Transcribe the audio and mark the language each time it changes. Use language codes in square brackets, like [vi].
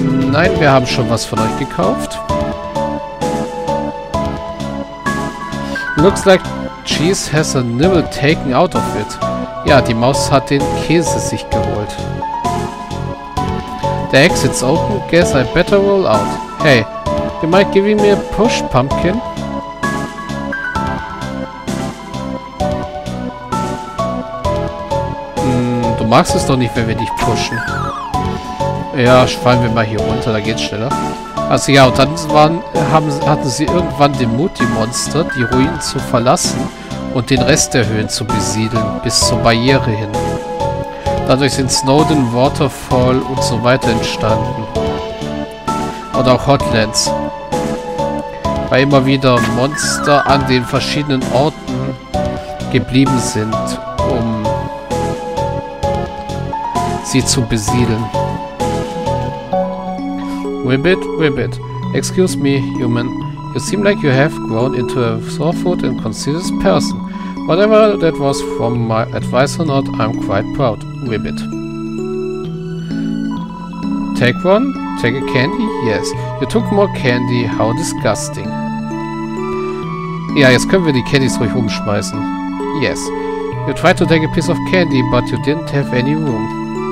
[de] Nein, wir haben schon was von euch gekauft. [en] Looks like Cheese has a nibble taken out of it. [de] Ja, die Maus hat den Käse sich geholt. [en] The exit's open. Guess I better roll out. Hey, you might give me a push, Pumpkin. [de] Du magst es doch nicht, wenn wir dich pushen. Ja, fallen wir mal hier runter, da geht's schneller. Also ja, und dann hatten sie irgendwann den Mut, die Monster, die Ruinen zu verlassen. Und den Rest der Höhen zu besiedeln, bis zur Barriere hin. Dadurch sind Snowdon, Waterfall und so weiter entstanden. Und auch Hotlands. Weil immer wieder Monster an den verschiedenen Orten geblieben sind, um sie zu besiedeln. [en] Ribbit, Ribbit. Excuse me, human. You seem like you have grown into a thoughtful and conscientious person. Whatever that was from my advice or not, I'm quite proud. Ribbit. Take one? Take a candy? Yes. You took more candy. How disgusting. [de] Ja, jetzt können wir die Candies ruhig umschmeißen. [en] Yes. You tried to take a piece of candy, but you didn't have any room.